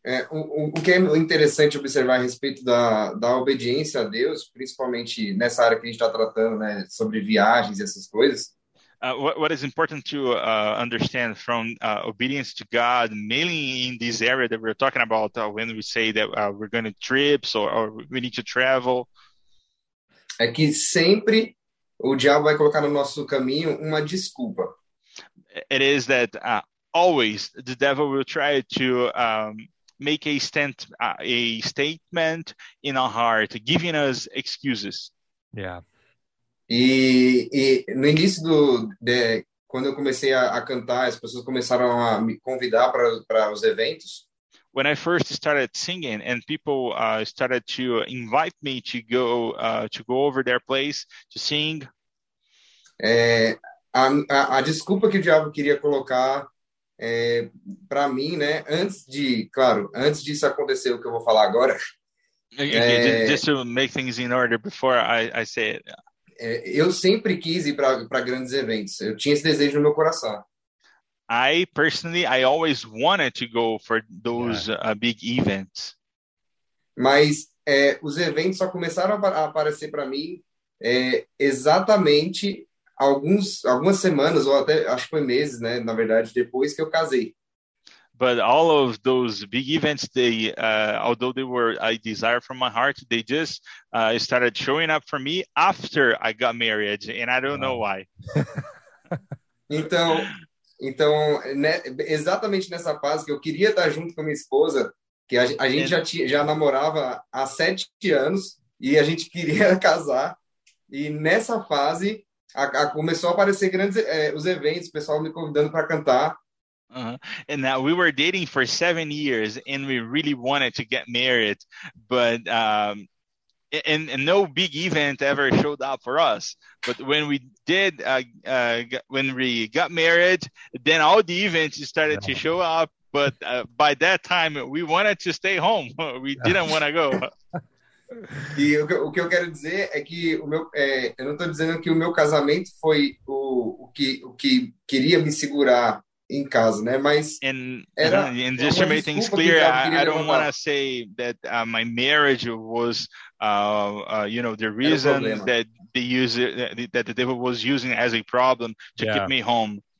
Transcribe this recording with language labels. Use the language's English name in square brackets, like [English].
[Portuguese] O que é interessante observar a respeito da obediência a Deus, principalmente nessa área que a gente está tratando, né, sobre viagens e essas coisas. [English] What is important to understand from obedience to God, mainly in this area that we're talking about, when we say that we're going to trips or we need to travel, [Portuguese] é que sempre o diabo vai colocar no nosso caminho uma desculpa. [English] It is that always the devil will try to make a statement in our heart, giving us excuses. Yeah. [Portuguese] E no início quando eu comecei a cantar, as pessoas começaram a me convidar para os eventos. [English] When I first started singing and people started to invite me to go over their place to sing. [Portuguese] A desculpa que o diabo queria colocar para mim, né, antes disso acontecer, o que eu vou falar agora. [English] Just to make things in order before I say it. [Portuguese] Eu sempre quis ir para grandes eventos. Eu tinha esse desejo no meu coração. [English] I personally always wanted to go for those big events. [Portuguese] Mas os eventos só começaram a aparecer para mim exatamente algumas semanas, ou até acho que foi meses, né, na verdade, depois que eu casei. [English] But all of those big events, they although they were a desire from my heart, they just started showing up for me after I got married, and I don't know why. [Portuguese] Então, né, exatamente nessa fase que eu queria estar junto com minha esposa, que a gente já namorava há 7 anos e a gente queria casar, e nessa fase começou a aparecer grandes os eventos, o pessoal me convidando para cantar. Uh-huh. [English] And now we were dating for 7 years and we really wanted to get married, but and no big event ever showed up for us. But when we did, when we got married, then all the events started to show up. But by that time, we wanted to stay home. We didn't want to go. [Portuguese] E o que eu quero dizer é que eu não estou dizendo que o meu casamento foi o que queria me segurar em casa, né? Mas [English] and just to make things clear, I don't want to say that my marriage was you know, the reason that the user that the devil was using as a problem to keep me home.